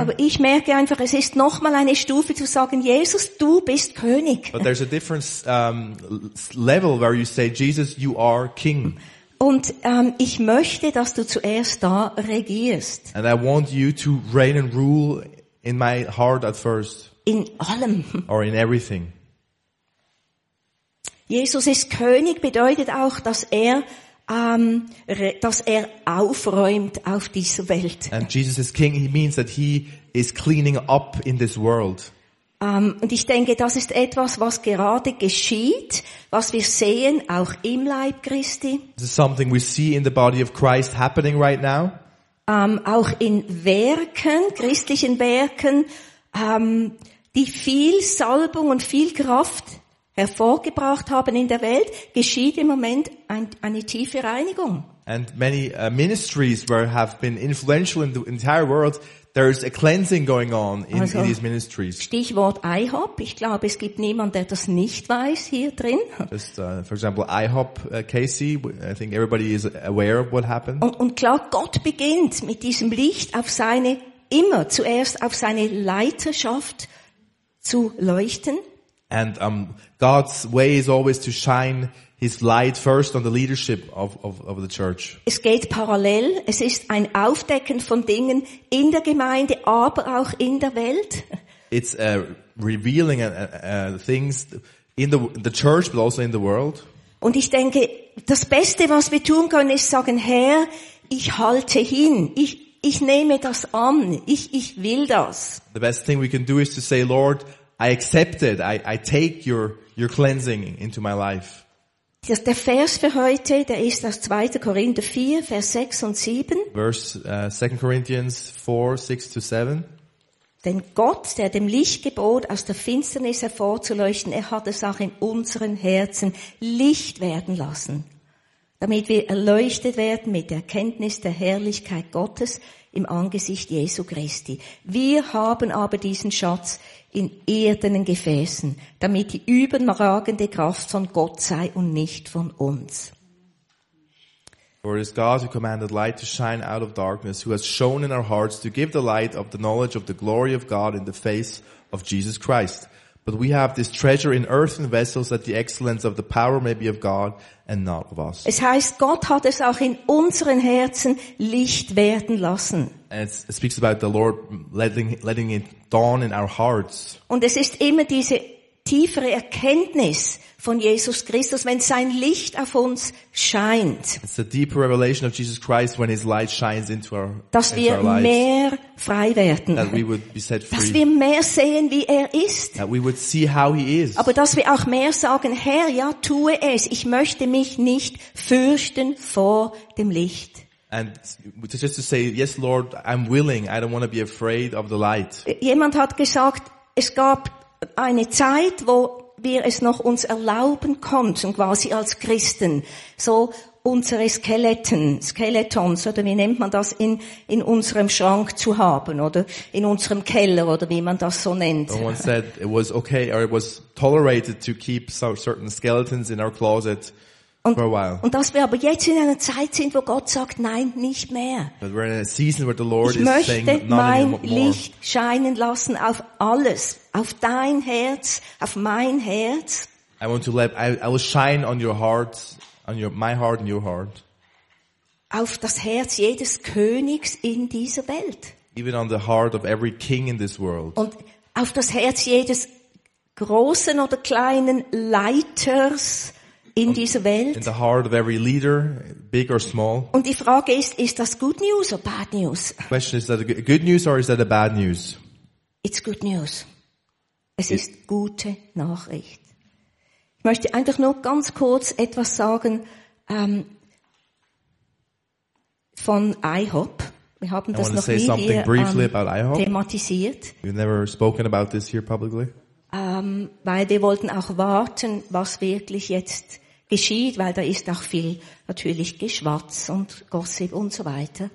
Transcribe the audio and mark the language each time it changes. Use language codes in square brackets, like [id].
[de] Aber ich merke einfach, es ist noch mal eine Stufe zu sagen, Jesus, du bist König. [en] But there's a different level where you say, Jesus, you are king. [de] Und ich möchte, dass du zuerst da regierst. [en] And I want you to reign and rule in my heart at first. [de] In allem. [en] Or in everything. [de] Jesus ist König bedeutet auch, dass er aufräumt auf dieser Welt. [en] And Jesus is king, he means that he is cleaning up in this world. [de] Und ich denke, das ist etwas, was gerade geschieht, was wir sehen, auch im Leib Christi. [en] This is something we see in the body of Christ happening right now. [de] Auch in Werken, christlichen Werken, die viel Salbung und viel Kraft hervorgebracht haben in der Welt, geschieht im Moment eine tiefe Reinigung. [en] And many ministries have been influential in the entire world. There is a cleansing going on in these ministries. [de] Stichwort IHOP. Ich glaube, es gibt niemand, der das nicht weiß hier drin. [en] Just for example, IHOP, Casey. I think everybody is aware of what happened. [de] Und klar, Gott beginnt mit diesem Licht immer zuerst auf seine Leiterschaft zu leuchten. [en] And God's way is always to shine His light first on the leadership of the church. [de] Es geht parallel. Es ist ein Aufdecken von Dingen in der Gemeinde, aber auch in der Welt. [en] It's revealing things in the church, but also in the world. [de] Und ich denke, das Beste, was wir tun können, ist sagen, Herr, ich halte hin. Ich nehme das an. Ich will das. [en] The best thing we can do is to say, Lord, I accept it. I take your cleansing into my life. [de] Der Vers für heute, der ist aus 2. Korinther 4, Vers 6 und 7. [en] Verse 2 Corinthians 4, 6 to 7. [de] Denn Gott, der dem Licht gebot, aus der Finsternis hervorzuleuchten, er hat es auch in unseren Herzen Licht werden lassen, damit wir erleuchtet werden mit der Erkenntnis der Herrlichkeit Gottes im Angesicht Jesu Christi. Wir haben aber diesen Schatz in irdenen Gefäßen, damit die überragende Kraft von Gott sei und nicht von uns. [en] For it is God who commanded light to shine out of darkness, who has shown in our hearts to give the light of the knowledge of the glory of God in the face of Jesus Christ. But we have this treasure in earthen vessels, that the excellence of the power may be of God and not of us. [de] Es heißt, Gott hat es auch in unseren Herzen Licht werden lassen. [en] And it speaks about the Lord letting it dawn in our hearts. [de] Und es ist immer diese tiefere Erkenntnis von Jesus Christus, wenn sein Licht auf uns scheint. [en] It's a deeper revelation of Jesus Christ when his light shines into our lives. [de] Dass wir mehr frei werden. [en] That we would be set free. [de] Dass wir mehr sehen, wie er ist. [en] That we would see how he is. [de] Aber dass wir auch mehr sagen, Herr, ja, tue es. Ich möchte mich nicht fürchten vor dem Licht. [en] And just to say, yes, Lord, I'm willing. I don't want to be afraid of the light. [de] Jemand hat gesagt, es gab eine Zeit, wo wir es noch uns erlauben konnten, quasi als Christen, so unsere Skeletons, oder wie nennt man das, in unserem Schrank zu haben, oder in unserem Keller, oder wie man das so nennt. [en] Someone said it was okay, or it was tolerated to keep certain skeletons in our closet. [de] Und, [en] for a while. [de] Und dass wir aber jetzt in einer Zeit sind, wo Gott sagt, nein, nicht mehr. [en] But we're in a season where the Lord [de] ich möchte [en] is saying, not [de] mein [en] anymore. [de] Licht scheinen lassen auf alles, auf dein Herz, auf mein Herz. [en] I want to let, I will shine on your heart, on your, my heart and your heart. [de] Auf das Herz jedes Königs in dieser Welt. [en] Even on the heart of every king in this world. [de] Und auf das Herz jedes großen oder kleinen Leiters in dieser Welt. [en] In the heart of every leader, big or small. [de] Und die Frage ist das [en] good news or bad news? Question is that a good news or is that a bad news? It's good news. [de] Es ist gute Nachricht. Ich möchte einfach nur ganz kurz etwas sagen von IHOP. Wir haben das noch nie hier thematisiert. [en] We've never spoken about this here publicly. [de] Weil wir wollten auch warten, was wirklich jetzt geschieht, weil da ist auch viel natürlich Geschwatz und Gossip und so weiter.